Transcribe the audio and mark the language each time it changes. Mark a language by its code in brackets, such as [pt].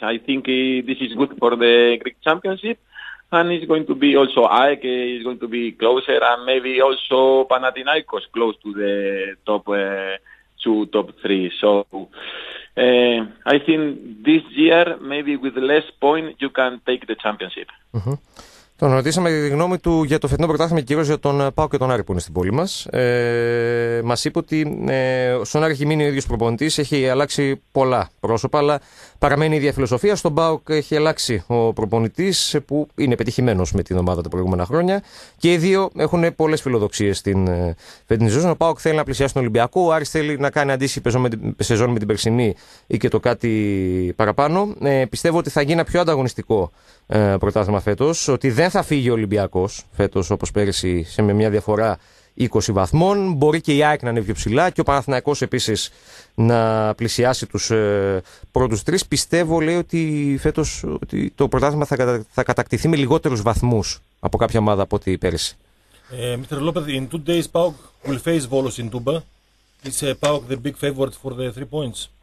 [en] I think this is good for the Greek Championship, and it's going to be also AEK is going to be closer, and maybe also Panathinaikos close to the top two, top three. So I think this year, maybe with less points, you can take the championship. Mm-hmm. [el] Τον ρωτήσαμε για τη γνώμη του για το φετινό πρωτάθλημα και κυρίως για τον ΠΑΟΚ και τον Άρη που είναι στην πόλη μας. Μας είπε ότι στον Άρη έχει μείνει ο ίδιος προπονητής, έχει αλλάξει πολλά πρόσωπα, αλλά παραμένει η ίδια φιλοσοφία. Στον ΠΑΟΚ έχει αλλάξει ο προπονητής, που είναι πετυχημένος με την ομάδα τα προηγούμενα χρόνια. Και οι δύο έχουν πολλές φιλοδοξίες στην φετινή σεζόν. Ο ΠΑΟΚ θέλει να πλησιάσει τον Ολυμπιακό, ο Άρης θέλει να κάνει αντίστοιχη σεζόν με την περσινή ή και το κάτι παραπάνω. Πιστεύω ότι θα γίνει πιο ανταγωνιστικό πρωτάθλημα φέτος, ότι δεν θα φύγει ο Ολυμπιακός φέτος όπως πέρυσι σε μια διαφορά 20 βαθμών. Μπορεί και η ΑΕΚ να είναι πιο ψηλά και ο Παναθηναϊκός επίσης να πλησιάσει τους πρώτους τρεις. Πιστεύω, λέει, ότι φέτος ότι το πρωτάθλημα θα κατακτηθεί με λιγότερους βαθμούς από κάποια ομάδα από ό,τι πέρυσι. [en] Mr. López, in 2 days, PAOK will face Volos in Tumba. Is PAOK the big favorite for the 3 points?